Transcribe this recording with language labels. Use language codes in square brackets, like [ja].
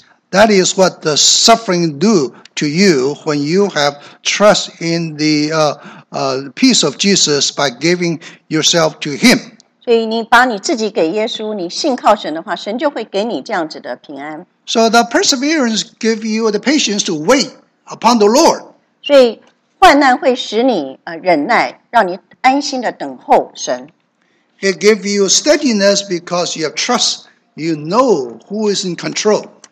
[en] That is what the suffering do to you when you have trust in the peace of Jesus by giving yourself to him. [zh] 所以你把你自己给耶稣,你信靠神的话,神就会给你这样子的平安。 [en] So the perseverance gives you the patience to wait upon the Lord. [zh] 所以患难会使你忍耐,让你安心地等候神。 [en] It gives you steadiness because you have trust, you know who is in control.